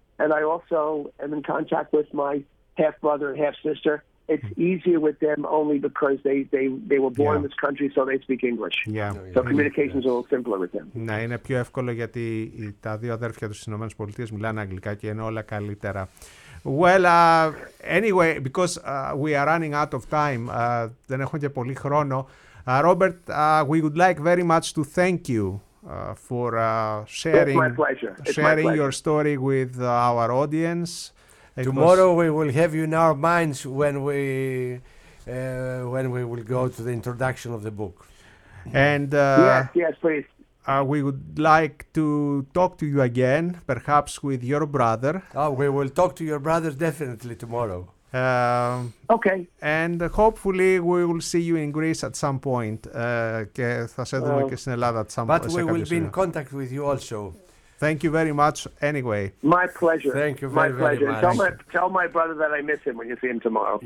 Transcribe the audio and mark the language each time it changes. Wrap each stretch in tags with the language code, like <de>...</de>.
<en>And I also am in contact with my half brother and half sister. It's easier with them only because they were born in this country, so they speak English. Yeah. So communication is a little simpler with them.</en> <el>Ναι, είναι πιο εύκολο γιατί τα δύο αδέρφια τους στις Ηνωμένες Πολιτείες μιλάνε αγγλικά και είναι όλα καλύτερα.</el> <en>Well, anyway, because we are running out of time,</en> <el>δεν έχω και πολύ χρόνο.</el> <en>Robert, we would like very much to thank you for sharing your story with our audience. Tomorrow we will have you in our minds when we will go to the introduction of the book. And yes, please. We would like to talk to you again, perhaps with your brother. Oh, we will talk to your brother definitely tomorrow. Okay. And hopefully we will see you in Greece at some point.</en> <el>Και θα σε δούμε και στην Ελλάδα</el> <en>at some point. But we will be in contact with you also. Thank you very much. Anyway. My pleasure. Thank you very, very much. Tell my brother that I miss him when you see him tomorrow.</en>